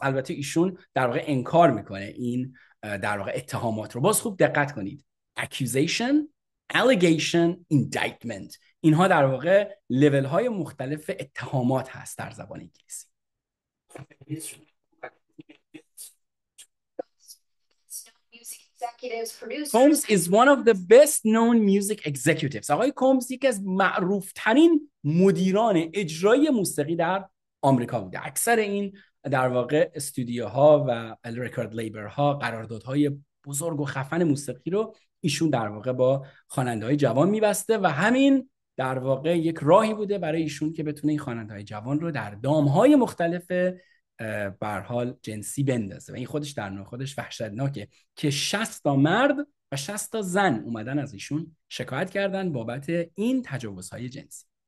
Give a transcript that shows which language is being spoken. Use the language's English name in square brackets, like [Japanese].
[Persian] البته ایشون در واقع انکار میکنه این در واقع اتهامات رو. باز خوب دقت کنید. Accusation, allegation, indictment. اینها در واقع لول های مختلف اتهامات هست در زبان انگلیسی. [English] executives, producers. Combs is one of the best known music executives. [Persian] آقای کومز یکی از معروف ترین مدیران اجرای موسیقی در آمریکا بوده. اکثر این در واقع استودیوها و ریکورد لیبر ها قراردادهای بزرگ و خفن موسیقی رو ایشون در واقع با خواننده‌های جوان می‌بسته و همین در واقع یک راهی بوده برای ایشون که بتونه این خواننده‌های جوان رو در دام‌های مختلف بر حال جنسی بندازه و این خودش در نوع خودش وحشتناکه که 60 تا مرد و 60 تا زن اومدن از ایشون شکایت کردن بابت این تجاوزهای جنسی.